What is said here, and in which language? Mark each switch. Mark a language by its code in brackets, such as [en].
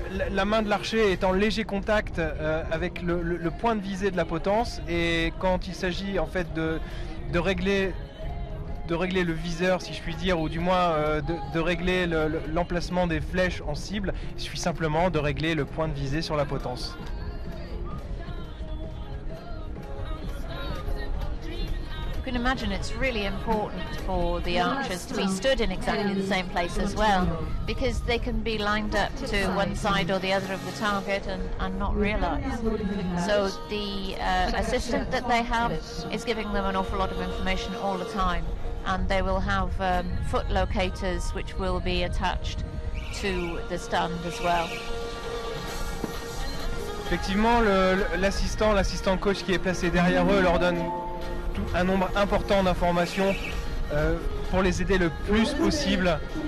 [fr] la main de l'archer est en léger contact avec le point de visée de la potence, et quand il s'agit en fait de régler le viseur, si je puis dire, ou du moins régler l'emplacement des flèches en cible, il suffit simplement de régler le point de visée sur la potence. [en] You can imagine it's really important for the archers to be stood in exactly the same place as well, because they can be lined up to one side or the other of the target and not realize. So the assistant that they have is giving them an awful lot of information all the time, and they will have foot locators which will be attached to the stand as well. [fr] Effectivement, l'assistant coach qui est placé derrière eux leur donne un nombre important d'informations pour les aider le plus possible.